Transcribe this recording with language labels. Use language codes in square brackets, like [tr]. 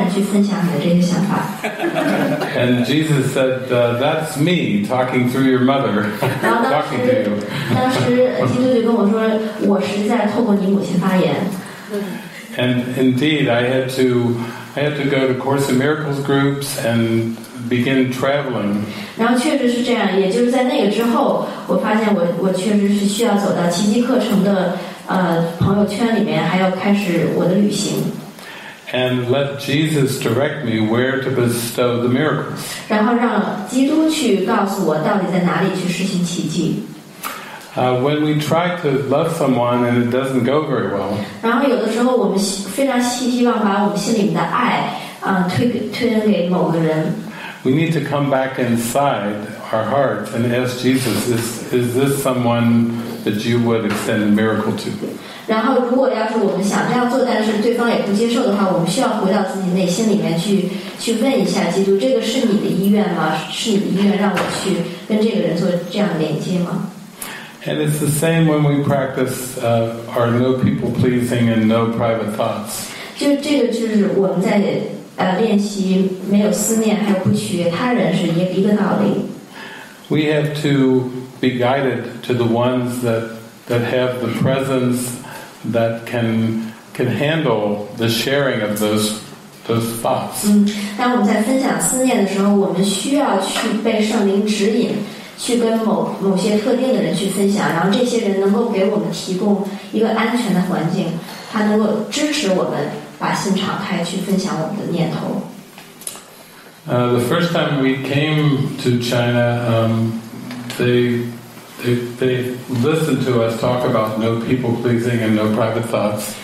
[en] And Jesus said, "That's me talking through your mother, talking to you." [zh] 当时基督就跟我说，我实在透过你母亲发言。 [en] And indeed, I had to go to Course in Miracles groups and begin traveling. [zh] 然后确实是这样，也就是在那个之后，我发现我确实是需要走到奇迹课程的。朋友圈里面还要开始我的旅行。 [en] And let Jesus direct me where to bestow the miracles. [zh] 然后让基督去告诉我到底在哪里去施行奇迹。 [en] When we try to love someone and it doesn't go very well. [zh] 然后有的时候我们非常希望把我们心里面的爱推荐给某个人。 [en] We need to come back inside our hearts and ask Jesus, is this someone? That you would extend a miracle to. [zh] 然后，如果要是我们想这样做，但是对方也不接受的话，我们需要回到自己内心里面去问一下基督，这个是你的意愿吗？是你的意愿让我去跟这个人做这样连接吗？ [en] And it's the same when we practice our no people pleasing and no private thoughts. [zh] 就是我们在练习没有思念，还有不取悦他人是一个道理。 [en] We have to. Be guided to the ones that have the presence that can handle the sharing of those thoughts. [zh] 当我们在分享思念的时候，我们需要去被圣灵指引，去跟某些特定的人去分享，然后这些人能够给我们提供一个安全的环境，他能够支持我们把心敞开去分享我们的念头。 [en] The first time we came to China. They listened to us talk about no people pleasing and no private thoughts.